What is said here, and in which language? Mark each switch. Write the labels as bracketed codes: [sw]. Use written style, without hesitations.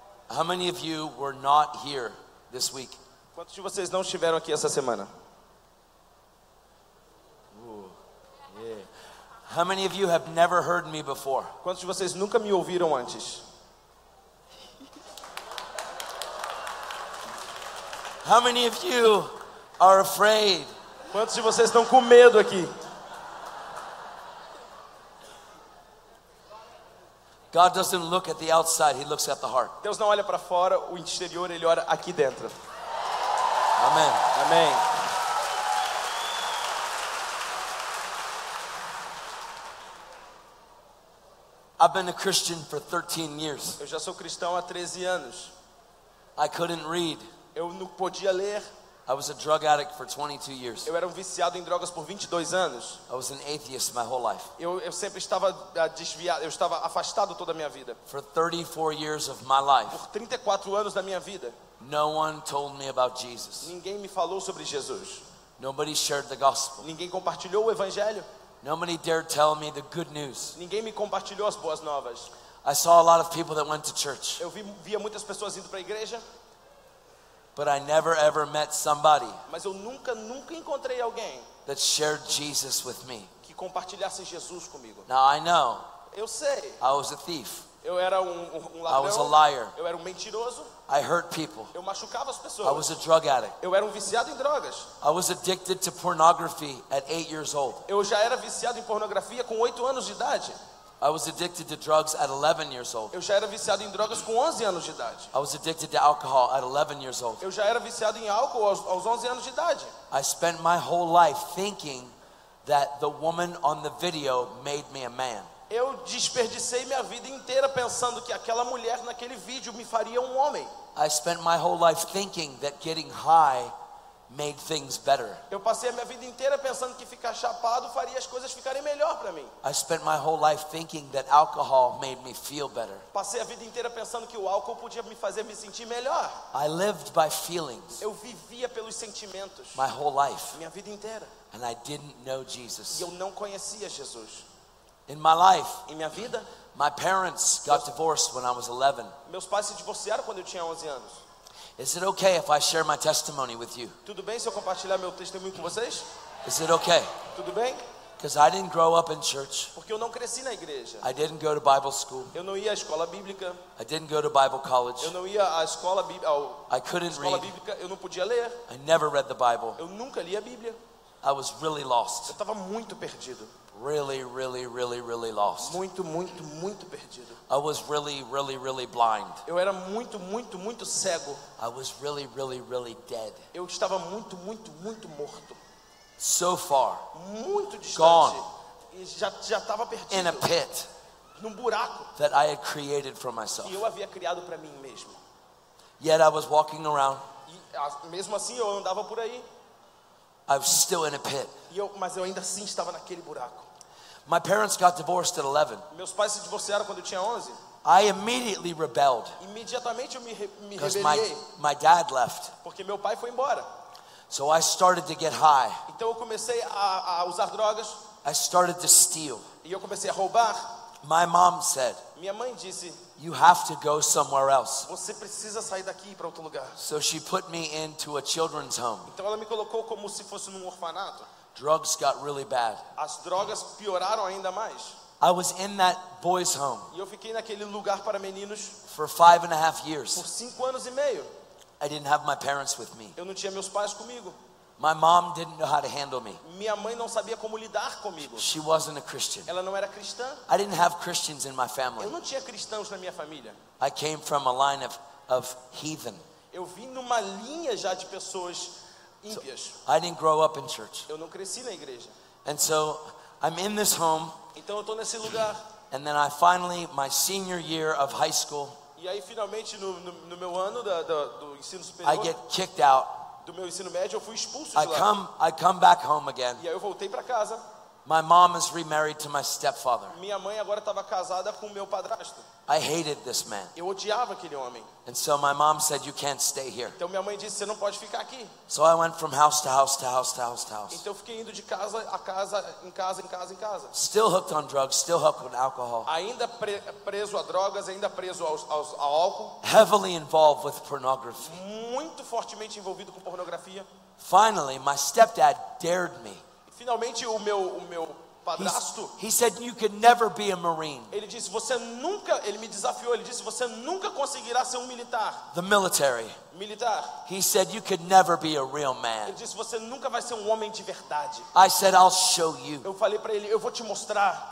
[en] How many of you were not here this week? [pt] Quantos de vocês não estiveram aqui essa semana? Ooh, yeah. [en] How many of you have never heard me before? [pt] Quantos de vocês nunca me ouviram antes? [en] How many of you are afraid? [pt] Quantos de vocês estão com medo aqui? [en] God doesn't look at the outside, he looks at the heart. [pt] Deus não olha para fora, o interior, ele olha aqui dentro. [en] Amen. [pt] Amen. [en] I've been a Christian for 13 years. [pt] Eu já sou cristão há 13 anos. [en] I couldn't read. [pt] Eu não podia ler. [en] I was a drug addict for 22 years. [pt] Eu era um viciado em drogas por 22 anos. [en] I was an atheist my whole life. [pt] Eu sempre estava desviado, eu estava afastado toda a minha vida. [en] For 34 years of my life. [pt] Por 34 anos da minha vida. [en] No one told me about Jesus. [pt] Ninguém me falou sobre Jesus. [en] Nobody shared the gospel. [pt] Ninguém compartilhou o evangelho. [en] Nobody dared tell me the good news. [pt] Ninguém me compartilhou as boas novas. [en] I saw a lot of people that went to church. [pt] Eu via muitas pessoas indo para a igreja. [en] But I never ever met somebody. [pt] Mas eu nunca encontrei alguém [en] that shared Jesus with me. [pt] Que compartilhasse Jesus comigo. [en] Now I know. [pt] Eu sei. [en] I was a thief. [pt] Eu era um ladrão. [en] I was a liar. [pt] Eu era um mentiroso. [en] I hurt people. [pt] Eu machucava as pessoas. [en] I was a drug addict. [pt] Eu era um viciado em drogas. [en] I was addicted to pornography at 8 years old. [pt] Eu já era viciado em pornografia com 8 anos de idade. [en] I was addicted to drugs at 11 years old. [pt] Eu já era viciado em drogas com 11 anos de idade. [en] I was addicted to alcohol at 11 years old. [pt] Eu já era viciado em álcool aos 11 anos de idade. [en] I spent my whole life thinking that the woman on the video made me a man. [pt] Eu desperdicei minha vida inteira pensando que aquela mulher naquele vídeo me faria um homem. [en] I spent my whole life thinking that getting high made things better. [pt] Eu passei a minha vida inteira pensando que ficar chapado faria as coisas ficarem melhor para mim. [en] I spent my whole life thinking that alcohol made me feel better. [pt] Passei a vida inteira pensando que o álcool podia me fazer me sentir melhor. [en] I lived by feelings. [pt] Eu vivia pelos sentimentos. [en] My whole life. [pt] Minha vida inteira. [en] And I didn't know Jesus. [pt] E eu não conhecia Jesus. [en] In my life. [pt] Em minha vida. [en] My parents got divorced when I was 11. [pt] Meus pais se divorciaram quando eu tinha 11 anos. [en] Is it okay if I share my testimony with you? [pt] Tudo bem se eu compartilhar meu testemunho com vocês? [en] Is it okay? [pt] Tudo bem? [en] Because I didn't grow up in church. [pt] Porque eu não cresci na igreja. [en] I didn't go to Bible school. [pt] Eu não ia à escola bíblica. [en] I didn't go to Bible college. [pt] Eu não ia à escola bíblica. [en] I couldn't [pt] escola [en] read. [pt] Bíblica. Eu não podia ler. [en] I never read the Bible. [pt] Eu nunca li a Bíblia. [en] I was really lost. [pt] Eu estava muito perdido. [en] Really, really, really, really lost. [pt] Muito, muito, muito perdido. [en] I was really, really, really blind. [pt] Eu era muito, muito, muito cego. [en] I was really, really, really dead. [pt] Eu estava muito, muito, muito morto. [en] So far. [pt] Muito distante. [en] Gone. [pt] E já estava perdido. [en] In a pit. [pt] Num buraco. [en] That I had created for myself. [pt] Que eu havia criado para mim mesmo. [en] Yet I was walking around. [pt] E mesmo assim eu andava por aí. [en] I was still in a pit. [pt] Mas eu ainda assim estava naquele buraco. [en] My parents got divorced at 11. [pt] Meus pais se divorciaram quando eu tinha 11. [en] I immediately rebelled. [pt] Imediatamente eu me rebelei. [en] Because my dad left. [pt] Porque meu pai foi embora. [en] So I started to get high. [pt] Então eu comecei a usar drogas. [en] I started to steal. [pt] E eu comecei a roubar. [en] My mom said. [pt] Minha mãe disse. [en] You have to go somewhere else. [pt] Você precisa sair daqui para outro lugar. [en] So she put me into a children's home. [pt] Então ela me colocou como se fosse num orfanato. [en] Drugs got really bad. [pt] As drogas pioraram ainda mais. [en] I was in that boys' home. [pt] E eu fiquei naquele lugar para meninos. [en] For 5.5 years. [pt] Por 5 anos e meio. [en] I didn't have my parents with me. [pt] Eu não tinha meus pais comigo. [en] My mom didn't know how to handle me. [pt] Minha mãe não sabia como lidar comigo. [en] She wasn't a Christian. [pt] Ela não era cristã. [en] I didn't have Christians in my family. [pt] Eu não tinha cristãos na minha família. [en] I came from a line of heathen. [pt] Eu vim numa linha já de pessoas ímpias. [en] So, I didn't grow up in church. [pt] Eu não cresci na igreja. [en] And so I'm in this home. [pt] Então eu tô nesse lugar. [en] And then I finally, my senior year of high school. [pt] E aí finalmente no meu ano do ensino superior. [en] I get kicked out. [pt] Do meu ensino médio eu fui expulso de lá. [en] I come back home again. [pt] E aí eu voltei para casa. [en] My mom is remarried to my stepfather. [pt] Minha mãe agora estava casada com meu padrasto. [en] I hated this man. [pt] Eu odiava aquele homem. [en] And so my mom said, "You can't stay here." [pt] Então minha mãe disse, "Você não pode ficar aqui." [en] So I went from house to house to house to house to house. [pt] Então eu fiquei indo de casa a casa, em casa, em casa, em casa. [en] Still hooked on drugs, still hooked on alcohol. [pt] Ainda preso a drogas, ainda preso ao álcool. [en] Heavily involved with pornography. [pt] Muito fortemente envolvido com pornografia. [en] Finally, my stepdad dared me. [pt] Finalmente o meu padrasto. [en] He said you could never be a marine. [pt] Ele disse você nunca, ele me desafiou, ele disse você nunca conseguirá ser um militar. [en] The military. [pt] Militar. [en] He said you could never be a real man. [pt] Ele disse você nunca vai ser um homem de verdade. [en] I said I'll show you. [pt] Eu falei para ele, eu vou te mostrar.